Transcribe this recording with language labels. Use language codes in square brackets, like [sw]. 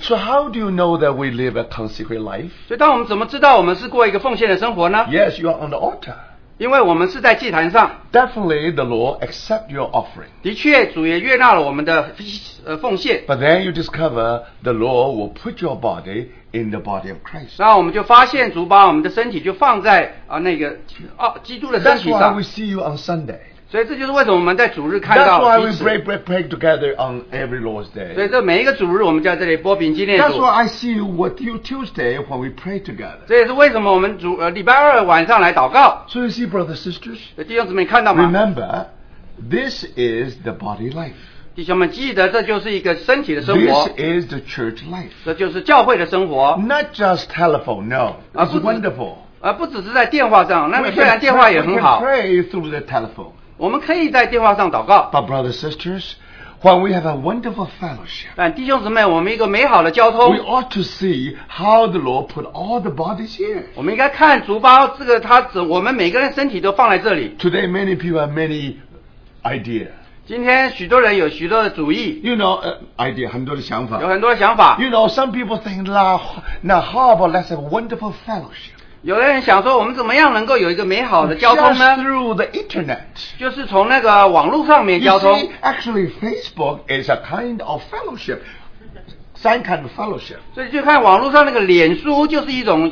[en] So how do you know that we live a consecrated life? [zh] 所以当我们怎么知道我们是过一个奉献的生活呢? [en] Yes, you are on the altar, [zh] 因为我们是在祭坛上。 [en] Definitely the Lord accept your offering, [zh] 的确主也悦纳了我们的奉献。 [en] But then you discover the Lord will put your body in the body of Christ. [zh] 那我们就发现主把我们的身体就放在, 那个, 基督的身体上。 [en] That's why we see you on Sunday. [zh] 所以这就是为什么我们在主日看到彼此。 [en] That's why we break bread, pray together on every Lord's Day. [zh] 所以这每一个主日我们就在这里拨饼纪念主。 [en] That's why I see you with you Tuesday when we pray together. [zh] 这也是为什么我们主, 礼拜二晚上来祷告。 [en] So you see, brothers and sisters, [zh] 弟兄姊妹看到吗? [en] Remember, this is the body life. [zh] 弟兄们记得这就是一个身体的生活。 [en] This is the church life. [zh] 这就是教会的生活。 [en] Not just telephone, no. It's wonderful. [zh] 不只是在电话上, 那虽然电话也很好。 [en] We can pray through the telephone. [zh] 我们可以在电话上祷告。 [en] But brothers and sisters, when we have a wonderful fellowship, [zh] 但弟兄姊妹, 我们一个美好的交通, [en] we ought to see how the Lord put all the bodies here. [zh] 我们应该看主把这个他指, 我们每个人身体都放在这里。 [en] Today many people have many ideas. [zh] 今天许多人有许多的主意, [en] you know, idea, [zh] 很多的想法, 有很多的想法, [en] you know, some people think, now how about let's have a wonderful fellowship? [zh] 有的人想说, 我们怎么样能够有一个美好的交通呢? [en] Just through the internet. [zh] 就是从那个网络上面交通。 [en] You see, actually, Facebook is a kind of fellowship. Same kind of fellowship. [zh] 所以就看网络上那个脸书就是一种,